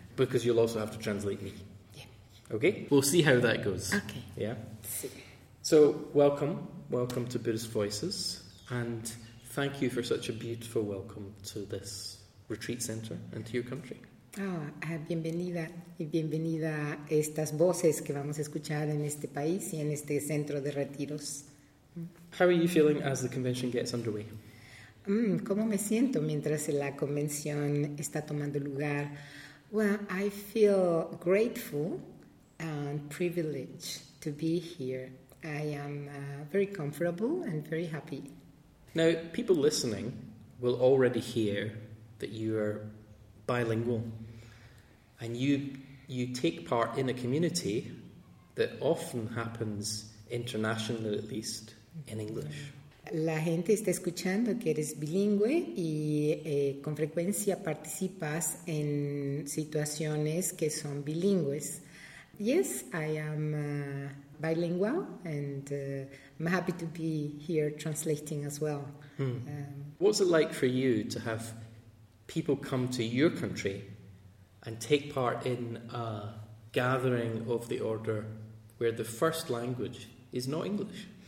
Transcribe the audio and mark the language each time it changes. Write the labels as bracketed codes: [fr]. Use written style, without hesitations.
[en] Because you'll also have to translate me. Yeah. Okay? We'll see how that goes. Okay. Yeah? See. So, welcome. Welcome to Buddhist Voices. And thank you for such a beautiful welcome to this retreat center and to your country. [es] Oh, bienvenida. Y bienvenida a estas voces que vamos a escuchar en este país y en este centro de retiros. [en] How are you feeling as the convention gets underway? [es] ¿Cómo me siento mientras la convención está tomando lugar? [en] Well, I feel grateful and privileged to be here. I am very comfortable and very happy. Now, people listening will already hear that you are bilingual. And you take part in a community that often happens, internationally at least, in English. Mm-hmm. [es] La gente está escuchando que eres bilingüe y con frecuencia participas en situaciones que son bilingües. [en] Yes, I am bilingual and I'm happy to be here translating as well. Hmm. What's it like for you to have people come to your country and take part in a gathering of the order where the first language is not English?